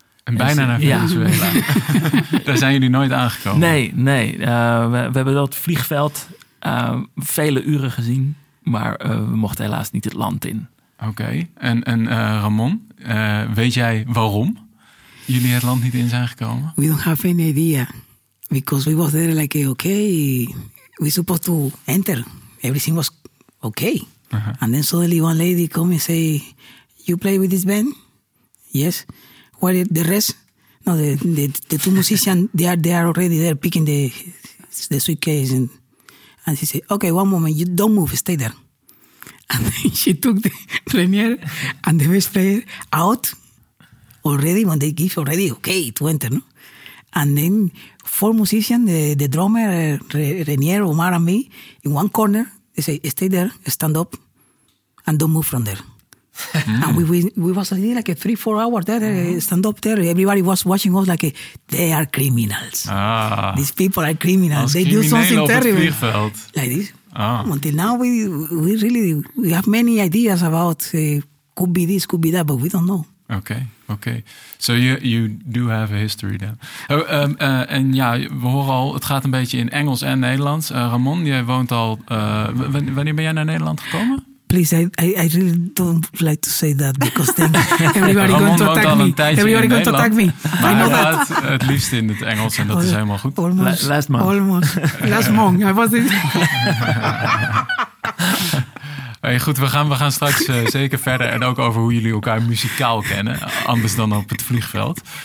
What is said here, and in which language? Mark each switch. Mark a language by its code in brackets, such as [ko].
[nl] En bijna naar Venezuela. Ja. Daar zijn jullie nooit aangekomen. Nee. We hebben dat vliegveld vele uren gezien. Maar we mochten helaas niet het land in. Oké. En Ramon, weet jij waarom jullie het land niet in zijn gekomen? [en] We don't have any idea. Because we were there like, okay, we supposed to enter. Everything was okay. Uh-huh. And then suddenly one lady come and say, you play with this band? Yes. Well, the rest, no, the two musicians, they are already there picking the suitcase. And she said, okay, one moment, you don't move, stay there. And then she took the premier and the bass player out already when they give already okay to enter. No? And then four musicians, the drummer, Renier, Omar and me, in one corner, they say, stay there, stand up, and don't move from there. And we was like a 3-4 hours there, stand up there. Everybody was watching us like they are criminals. Ah. These people are criminals. They do something terrible. Like this. Ah. Until now, we really have many ideas about could be this, could be that, but we don't know. Okay. So you do have a history then. [nl] En ja, we horen al, het gaat een beetje in Engels en Nederlands. Ramon, jij woont al. Wanneer ben jij naar Nederland gekomen? [en] Please, I really don't like to say that because then everybody going to attack me. Everybody going to attack me. [nl] Maar [en] I know that. [nl] Had het liefst in het Engels en dat is helemaal goed. [en] Almost, last month. Almost. Last month. I was in. [nl] Hey, goed, we gaan straks zeker verder en ook over hoe jullie elkaar muzikaal kennen, anders dan op het vliegveld.